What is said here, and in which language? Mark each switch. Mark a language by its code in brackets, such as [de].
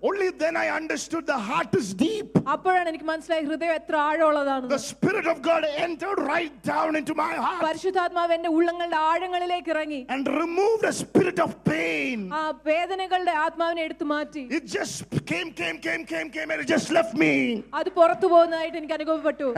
[en] only then I understood the heart is deep [ml] അപ്പോഴാണ് എനിക്ക് മനസ്സിലായി ഹൃദയം എത്ര ആഴമുള്ളതാണെന്ന് [en] the spirit of god entered right down into my heart [ml] പരിശുദ്ധാത്മാവ് എന്റെ ഉള്ളങ്ങളുടെ ആഴങ്ങളിലേക്ക് ഇറങ്ങി [en] and removed the spirit of pain [ml] ആ വേദനകളുടെ ആത്മാവിനെ എടുത്തു മാറ്റി [en] it just came and it just left me [ml] അത് പുറത്തു പോകുന്നതായിട്ട് എനിക്ക് അനുഭവപ്പെട്ടു